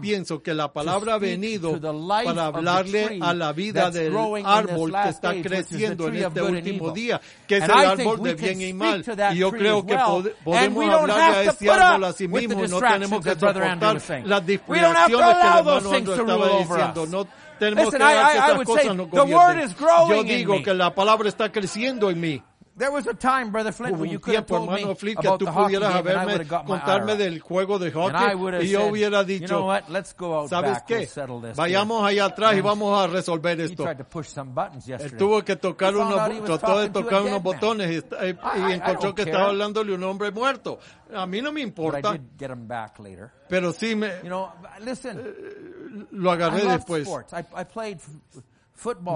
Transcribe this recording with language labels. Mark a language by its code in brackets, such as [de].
[es] yo pienso que la palabra ha venido para hablarle a la vida del árbol que está creciendo en este último día, que es el árbol de bien y mal. Y yo creo que podemos hablarle a ese árbol a sí mismo. No tenemos que soportar las distracciones que el hermano estaba diciendo. No tenemos que dejar que esas cosas nos gobiernen. Yo digo que la palabra está creciendo en mí. [en] There was a time, Brother Flint, when you could have told me about the hockey game, and I would have got my arrow. And I would have said, [es] contarme del juego de hockey, [en] and I would have said, you know what, let's go out back and settle this. [es] Vayamos allá atrás y vamos a resolver esto. [en] He tried to push some buttons yesterday. [es] Tuvo que tocar unos, trató de tocar unos botones y encontró que estaba hablándole un hombre muerto. A mí no me importa. [en] But I did get him back later. [es] Pero sí me, [en] you know, listen, [es] lo agarré después. [en] I loved sports. I played football.